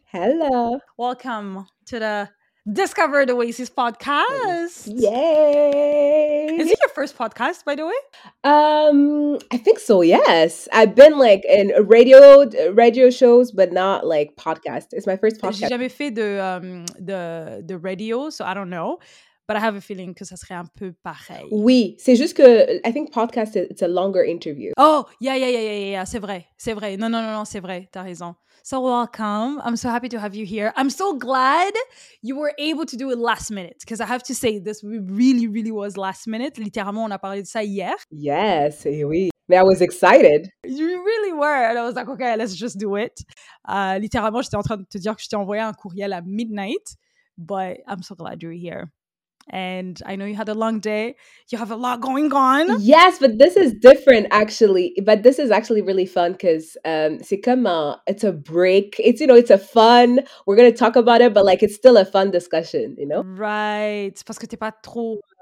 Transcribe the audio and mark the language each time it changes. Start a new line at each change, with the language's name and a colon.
English: Hello. Welcome to the Discover the Oasis podcast. Yay. Is it your first podcast, by the way? I think so, yes. I've been like in radio shows, but not like podcast. It's my first podcast.
French: J'ai jamais fait de radio,
English: so I don't know. But I have a feeling
French: que ça serait un peu pareil. Oui, c'est juste que
English: I think podcast it's a longer interview. Oh, yeah,
French: c'est vrai. C'est vrai. Non, c'est vrai. T'as raison.
English: So welcome. I'm so happy to have you here. I'm so glad you were able to do it last minute, because I have to say this really, really was last minute.
French: Littéralement, on a parlé de ça hier.
English: Yes,
French: et oui. Mais
English: I was excited. You really were. And I was like, okay, let's just do it.
French: Littéralement, j'étais en train de te dire que je t'ai envoyé un courriel à midnight,
English: but I'm so glad you're here. And I know you had a long day. You have a lot going on. Yes, but this is different, actually. But this is actually really fun because
French: c'est comme un,
English: it's a break. It's, you know, it's a fun. We're going to talk about it, but like, it's still a fun discussion, you know?
French: Right. Parce que t'es pas trop...